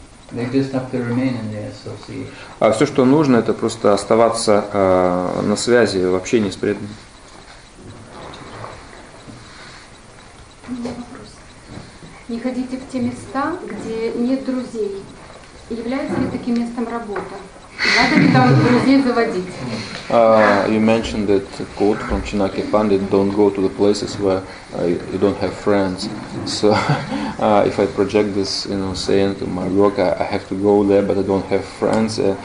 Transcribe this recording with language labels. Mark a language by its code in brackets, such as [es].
[en] They just have to remain in the association. [ru] А все, что нужно, это просто оставаться на связи, в общении с преданными. У меня вопрос. Не ходите в те места, где нет друзей. Является ли таким местом работа? Надо ли там друзей заводить? [en] You mentioned that quote from Chanakya Pandit, don't go to the places where you don't have friends. So if I project this, you know, saying to my work, I have to go there, but I don't have friends.